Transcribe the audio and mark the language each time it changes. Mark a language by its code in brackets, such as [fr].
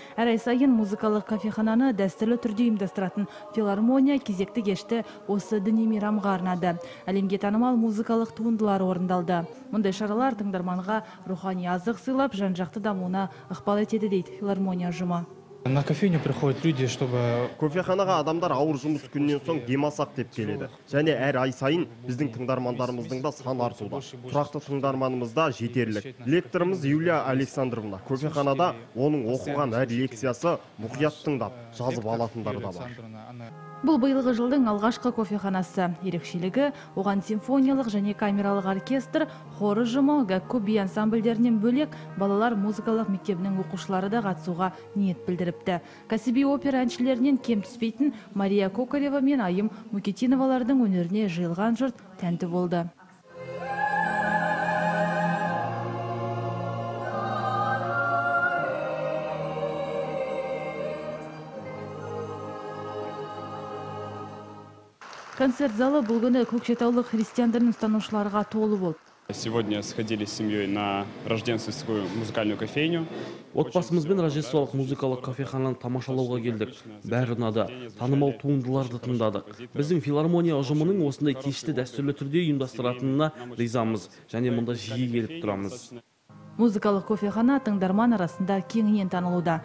[kk] Әр ай сайын музыкалық кафехананы дәстүрлі түрде ұйымдастыратын филармония кезекті кешті осы діни мейрамға арнады. Әлемге танымал музыкалық туындылар орындалды. Мұндай шаралар тыңдарманға рухани азық сыйлап, жан-жақты дамуына ықпал етеді, дейді филармония ұжымы. [ru] На кофейню приходят люди, чтобы [kk] кофеханаға адамдар ауыр жұмыс күннен соң демалсақ деп келеді. Және әр ай сайын біздің тыңдармандарымыздың да саны артуда. Тұрақты тыңдарманымыз да жетерлік. Лекторымыз Юлия Александровна кофеханада оның оқыған әр лекциясы мұқият тыңдап жазып алатындар да бар. Бұл биылғы жылдың алғашқы кофеханасы. Ерекшелігі оған симфониялық және камералық оркестр, хор ұжымы, гәкку би ансамбльдерінен бөлек балалар музыкалық мектебінің оқушылары да қатысуға ниет білдіріпті. Кәсіби опера әншілерінен кем түспейтін Мария Кокарева мен Айым Мукетиновалардың өнеріне жиылған жұрт тәнті болды. Концерт залы бұл күні көкшетаулық христиандарын ұстанушыларға толы болды. [ru] Сегодня сходили с семьей на рождественскую музыкальную кофейню. [kk] Отбасымызбен рождестволық музыкалық кафеханын тамашалауға келдік. Бәрі ұнады. Танымал туындыларды тыңдадық. Біздің филармония ұжымының осындай кешті дәстүрлі түрде ұйымдастыратынына ризамыз. Және мұнда жиі келіп тұрамыз. Музыкалық кофехана тыңдарман арасында кеңінен танылуда.